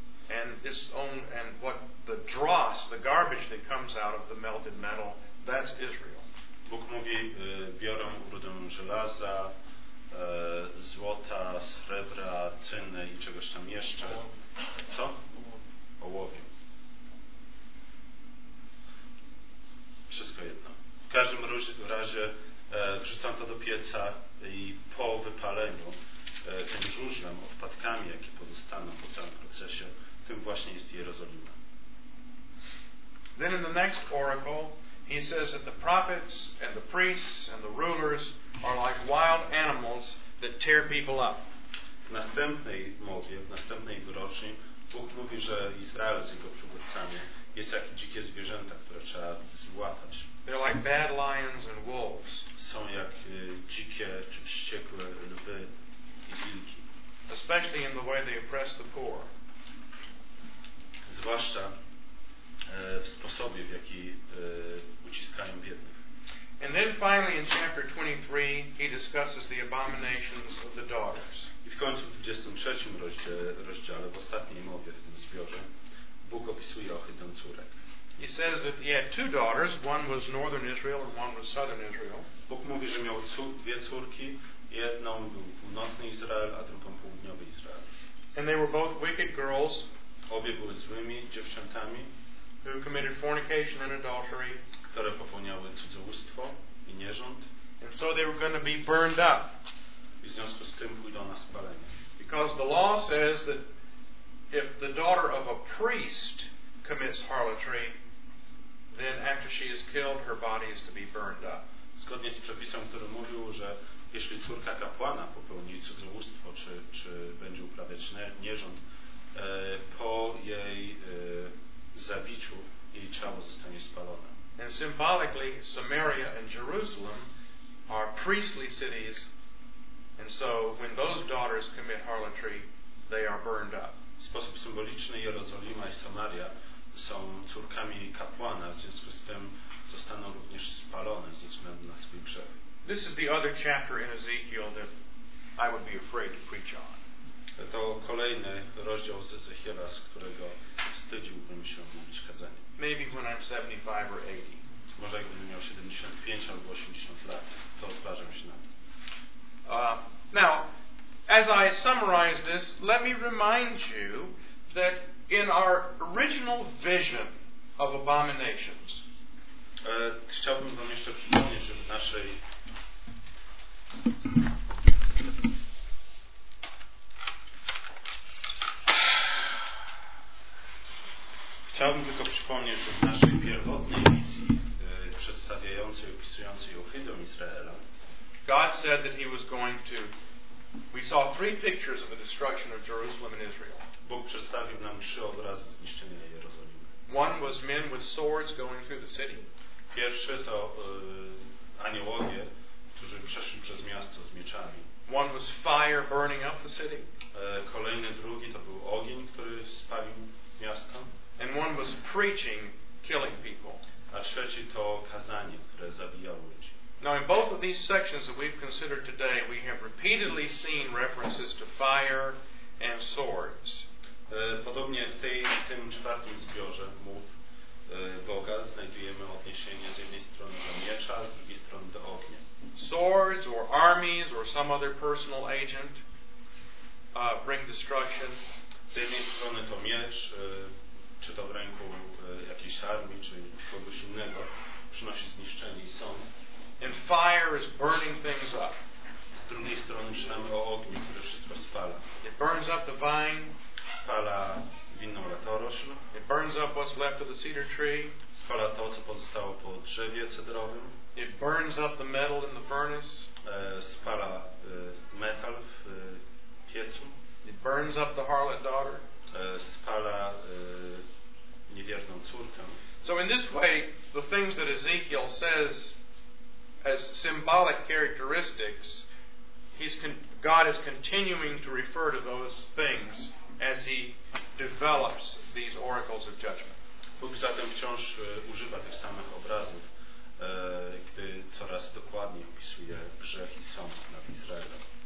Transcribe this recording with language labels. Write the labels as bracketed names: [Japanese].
[English] And its own, and what the dross, the garbage that comes out of the melted metal, that's Israel. [Polish] Bóg mówi, biorę rudę żelaza, złota, srebra, cynne i czegoś tam jeszcze. Co? Ołowiu. Wszystko jedno. W każdym razie wrzucam to do pieca i po wypaleniu tym żużlem, odpadkami, jakie pozostaną po całym procesie, tym właśnie jest Jerozolima. [English] Then in the next oracle, he says that the prophets and the priests and the rulers are like wild animals that tear people up. [Polish] W następnej mowie, w następnej wyroczni, Bóg mówi, że Izrael z jego przywódcami jest jak dzikie zwierzęta, które trzeba złatać. [English] They're like bad lions and wolves. [Polish] Są jak dzikie czy wściekłe lwy i wilki. [English] Especially in the way they oppress the poor. [Polish] Zwłaszcza w sposobie, w jaki uciskają biednych. [English] And then finally in chapter 23 he discusses the abominations of the daughters. [Polish] I w końcu w 23 rozdziale, w ostatniej mowie w tym zbiorze, Bóg opisuje ohydę córek. [English] He says that he had two daughters, one was northern Israel and one was southern Israel. [Polish] Bóg mówi, że miał dwie córki, jedną był północny Izrael, a drugą południowy Izrael. [English] And they were both wicked girls. [Polish] Obie były złymi dziewczętami. [English] Who committed fornication and adultery. [Polish] Które popełniały cudzołóstwo i nierząd. [English] And so they were going to be burned up. [Polish] I w związku z tym pójdą na spalenie. [English] Because the law says that if the daughter of a priest commits harlotry, then after she is killed, her body is to be burned up. [Polish] Zgodnie z przepisem, który mówił, że jeśli córka kapłana popełni cudzołóstwo, czy będzie uprawiać nierząd, po jej zabiciu jej ciało zostanie spalone. [English] And symbolically, Samaria and Jerusalem are priestly cities, and so when those daughters commit harlotry, they are burned up. [Polish] W sposób symboliczny Jerozolima i Samaria są córkami kapłana, w związku z tym zostaną również spalone ze względu na swój grzech. [English] This is the other chapter in Ezekiel that I would be afraid to preach on. [Polish] To kolejny rozdział z Ezechiela, z którego wstydziłbym się mówić kazanie. [English] Maybe when I'm 75 or 80. [Polish] Może jakbym miał 75 albo 80 lat, to odważam się na to. [English] Now, as I summarize this, let me remind you that in our original vision of abominations. [Polish] Chciałbym wam jeszcze przypomnieć, że w naszej... Chciałbym tylko przypomnieć, że w naszej pierwotnej wizji przedstawiającej, opisującej ohydę Izraela, [English] God said that he was going to. We saw three pictures of the destruction of Jerusalem and Israel. [Polish] Bóg przedstawił nam trzy obrazy zniszczenia Jerozolimy. [English] One was men with swords going through the city. [Polish] Pierwszy to aniołowie, którzy przeszli przez miasto z mieczami. [English] One was fire burning up the city. [Polish] Kolejny, drugi, to był ogień, który spalił miasto. [English] And one was preaching, killing people. [Polish] A trzeci to kazanie, które zabijało ludzi. [English] Now in both of these sections that we've considered today, we have repeatedly seen references to fire and swords. [Polish] Podobnie w tym czwartym zbiorze mów Boga znajdujemy odniesienie z jednej strony do miecza, z drugiej strony do ognia. [English] Swords or armies or some other personal agent bring destruction. [Polish] Z jednej strony to miecz, czy to w ręku jakiejś armii, czy kogoś innego, przynosi zniszczenie i sąd. [English] And fire is burning things up. [Polish] Z drugiej strony czytamy o ogniu, które wszystko spala. [English] It burns up the vine. [Polish] Spala winną latorośl. [English] It burns up what's left of the cedar tree. [Polish] Spala to, co pozostało po drzewie cedrowym. [English] It burns up the metal in the furnace. [Polish] Spala metal w piecu. [English] It burns up the harlot daughter. [Polish] Spala niewierną córkę. [English] So in this way, the things that Ezekiel says as symbolic characteristics, God is continuing to refer to those things as he develops these oracles of judgment. [Polish] Bóg zatem wciąż używa tych samych obrazów, gdy coraz dokładniej opisuje grzech i sąd nad Izraelem.